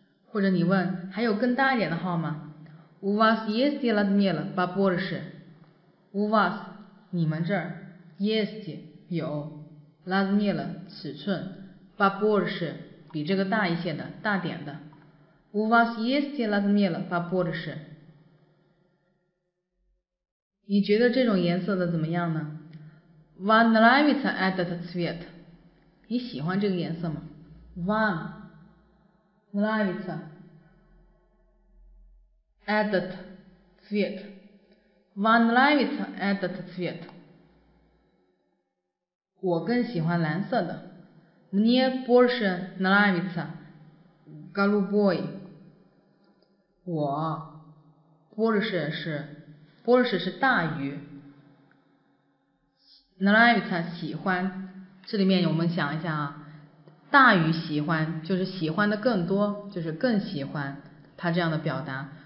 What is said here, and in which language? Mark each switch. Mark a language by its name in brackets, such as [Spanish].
[Chinese] 或者你问还有更大一点的号码， [Russian] У вас есть размер побольше？ У вас [Chinese] 你们这儿 есть 有 размер 尺寸， побольше 比这个大一些的，大点的。 [Russian] У вас есть размер побольше？ [Chinese] 你觉得这种颜色的怎么样呢？ [Russian] Вам нравится этот цвет？ [Chinese] 你喜欢这个颜色吗？ [Russian] Вам нравится этот цвет？ Вам нравится этот цвет？ [Chinese] 我更喜欢蓝色的。 [Russian] Мне больше нравится голубой。 [Chinese] 我 больше 是Больше 是大于， нравится 喜欢，这里面我们想一下啊，大于喜欢就是喜欢的更多，就是更喜欢，它这样的表达。